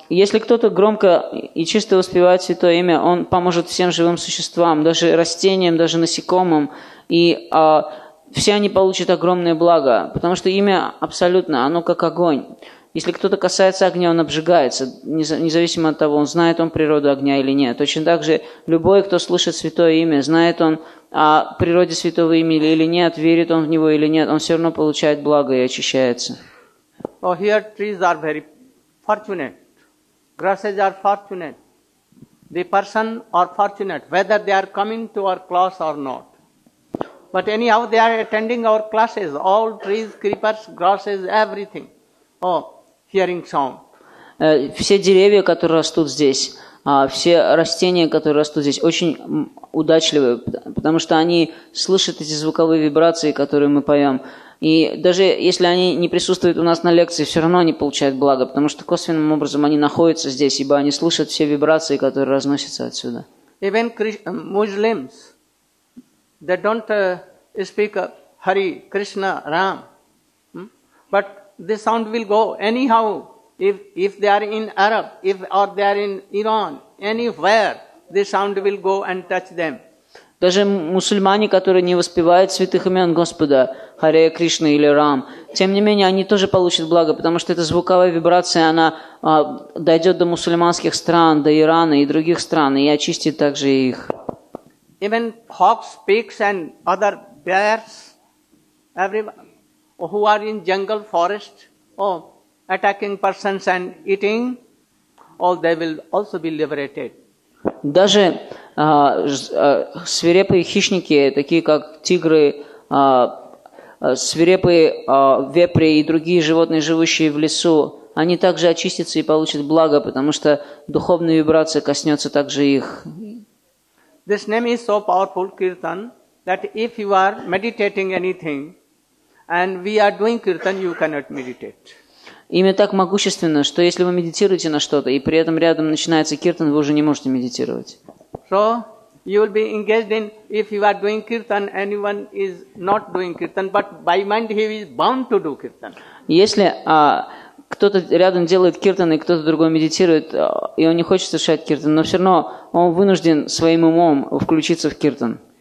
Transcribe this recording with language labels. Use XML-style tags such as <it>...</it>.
<ru>Если кто-то громко и чисто воспевает Святое Имя, он поможет всем живым существам, даже растениям, даже насекомым, и все они получат огромное благо, потому что имя абсолютно, оно как огонь. Если кто-то касается огня, он обжигается, независимо от того, он знает он природу огня или нет. Точно так же любой, кто слышит Святое Имя, знает он о природе Святого Имени или нет, верит он в него или нет, он все равно получает благо и очищается.</ru> <en>Oh, here trees are very fortunate. Grasses are fortunate. The person are fortunate, whether they are coming to our class or not. But anyhow, they are attending our classes, all trees, creepers, grasses, everything. Oh, hearing sound.</en> <ru>Все деревья, которые растут здесь, все растения, которые растут здесь, очень удачливы, потому что они слышат эти звуковые вибрации, которые мы поем. И даже если они не присутствуют у нас на лекции, все равно они получают благо, потому что косвенным образом они находятся здесь, ибо они слышат все вибрации, которые разносятся отсюда.</ru> <en>Even Muslims, they don't speak Hare Krishna, Ram, but the sound will go anyhow. If they are in Arab, or they are in Iran, anywhere, the sound will go and touch them.</en> <ru>Даже мусульмане, которые не воспевают святых имен Господа, Харе Кришна или Рам, тем не менее, они тоже получат благо, потому что эта звуковая вибрация, она дойдет до мусульманских стран, до Ирана и других стран, и очистит также их.</ru> <en>Even hawks, pigs and other bears, everyone, who are in jungle, forest, attacking persons and eating, all they will also be liberated.</en> <ru>Даже свирепые хищники, такие как тигры, свирепые вепри и другие животные, живущие в лесу, они также очистятся и получат благо, потому что духовная вибрация коснется также их.</ru> <en>This name is so powerful, Kirtan, that if you are meditating anything, and we are doing Kirtan, you cannot meditate.</en> <ru>Имя так могущественно, что если вы медитируете на что-то, и при этом рядом начинается киртан, вы уже не можете медитировать.</ru> <en>So, you will be engaged in, if you are doing kirtan, anyone is not doing kirtan, but by mind he is bound to do kirtan.</en> <ru>Если к кто-то рядом делает киртан, и кто-то другой медитирует, и он не хочет совершать киртан, но все равно он вынужден своим умом включиться в киртан.</ru>